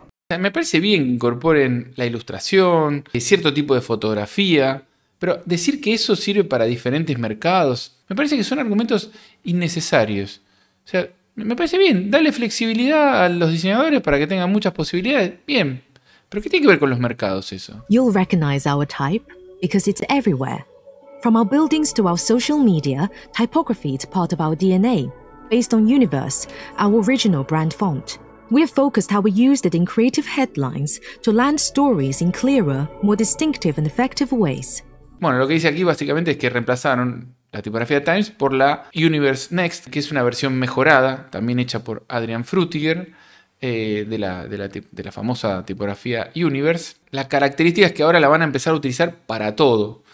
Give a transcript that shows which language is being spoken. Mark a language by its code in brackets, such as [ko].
[es] Me parece bien que incorporen la ilustración, cierto tipo de fotografía, pero decir que eso sirve para diferentes mercados, me parece que son argumentos innecesarios. O sea, me parece bien, dale flexibilidad a los diseñadores para que tengan muchas posibilidades, bien. ¿Pero qué tiene que ver con los mercados eso? [en] You'll recognize our type because it's everywhere. From our buildings to our social media, typography is part of our DNA, based on Universe, our original brand font. We have focused how we used it in creative headlines to land stories in clearer, more distinctive and effective ways. [es] Bueno, lo que dice aquí básicamente es que reemplazaron la tipografía Times por la Universe Next, que es una versión mejorada, también hecha por Adrian Frutiger. De la famosa tipografía Universe. La característica es que ahora la van a empezar a utilizar para todo.